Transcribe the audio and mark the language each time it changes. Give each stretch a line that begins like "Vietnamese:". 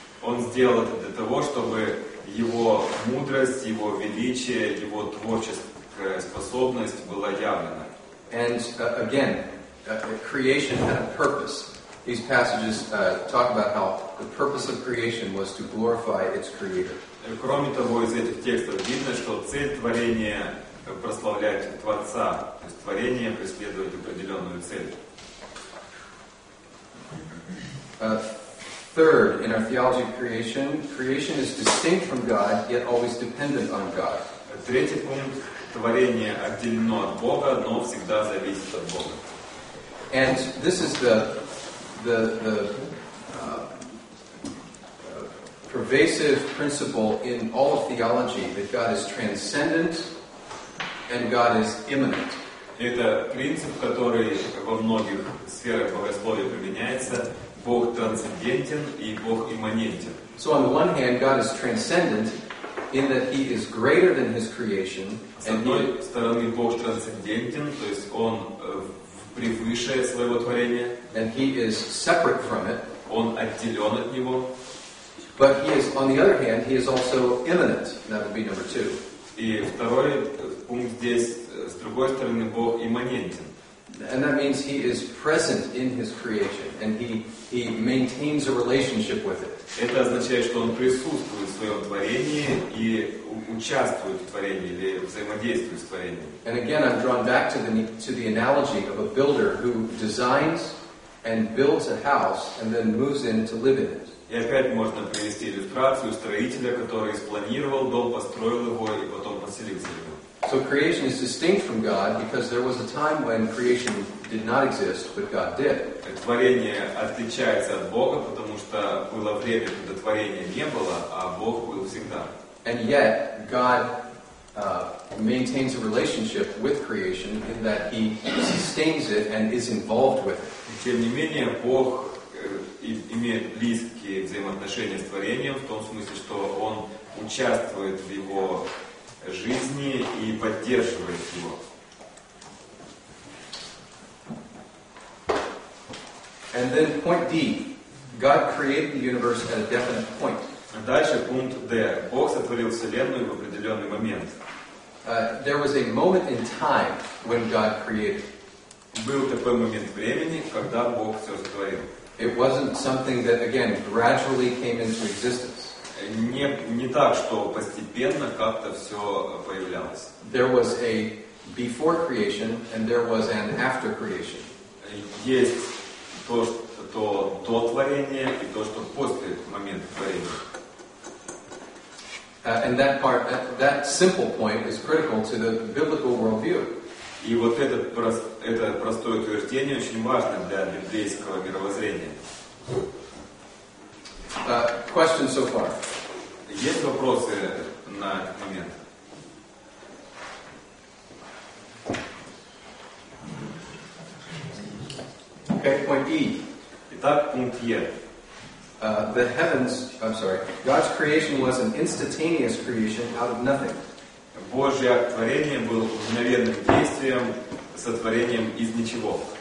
Russian: Он сделал это для того, чтобы Его мудрость, Его величие, Его творческая способность была явлена.
English: And again, creation had a purpose. These passages talk about how the purpose of creation was to glorify its creator.
Russian: Кроме того, из этих текстов видно, что цель творения прославлять Творца, то есть творение преследует определенную цель.
English: Third, in our theology of creation, creation is distinct from God, yet always dependent on God.
Russian: Третий пункт: творение отделено от Бога, но всегда зависит от Бога.
English: And this is the pervasive principle in all of theology that God is transcendent and God is immanent.
Russian: Это принцип, который во многих сферах богословия применяется. Бог трансцендентен и Бог имманентен.
English: So on the one hand, God is transcendent in that He is greater than His creation.
Russian: С одной стороны, Бог трансцендентен, то есть Он превыше своего творения.
English: And He is separate from it.
Russian: Он отделен от него.
English: But He is, on the other hand, He is also immanent. That would be number two.
Russian: И второй пункт здесь, с другой стороны, Бог имманентен.
English: And that means He is present in His creation, and He maintains a relationship with it.
Russian: Это означает, что Он присутствует в своем творении и участвует в творении или взаимодействует с творением.
English: And again, I'm drawn back to the analogy of a builder who designs and builds a house and then moves in to live in it.
Russian: И опять можно привести иллюстрацию строителя, который спланировал дом, построил его и потом поселился в нем.
English: So creation is distinct from God because there was a time when creation did not exist, but God did.
Russian: Творение отличается от Бога, потому что было время, когда творения не было, а Бог был всегда.
English: And yet, God maintains a relationship with creation in that He sustains it and is involved with it.
Russian: Тем не менее, Бог имеет близкие взаимоотношения с творением в том смысле, что Он участвует в его жизни и поддерживает его.
English: And then point D. God created the universe at a definite point.
Russian: Дальше пункт D. Бог сотворил Вселенную в определенный момент.
English: There was a moment in time when God created.
Russian: Был такой момент времени, когда Бог все сотворил.
English: It wasn't something that, again, gradually came into existence.
Russian: Не так, что постепенно как-то все появлялось.
English: There was a before creation and there was an after creation.
Russian: Есть то, что до творения и то, что после момента творения.
English: And that part, that simple point is critical to the biblical worldview.
Russian: И вот это простое утверждение очень важно для библейского мировоззрения.
English: Question so far.
Russian: Есть вопросы на этот момент?
English: Okay, point E.
Russian: Итак, пункт Е.
English: The heavens, I'm sorry, God's creation was an instantaneous creation out of nothing.
Russian: Божье творение было мгновенным действием, сотворением из ничего.